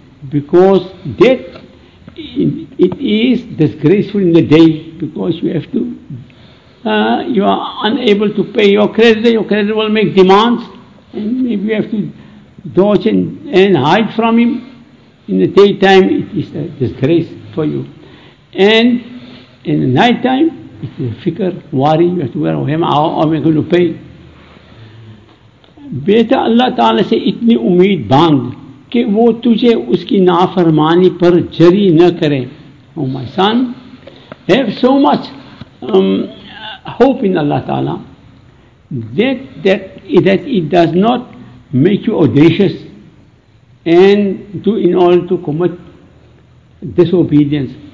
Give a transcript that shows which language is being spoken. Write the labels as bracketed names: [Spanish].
[English] Because debt, it is disgraceful in the day because you have to, you are unable to pay your creditor will make demands, and maybe you have to dodge and hide from him. In the daytime, it is a disgrace for you. And in the nighttime, it is a fikr, worry, you have to worry, how am I going to pay? [Urdu] Beta Allah Ta'ala se itni umeed bang. کہ وہ تجھے اس کی نافرمانی پر جری نہ کرے. [English] Oh my son, have so much hope in Allah Ta'ala that it does not make you audacious and do in order to commit disobedience.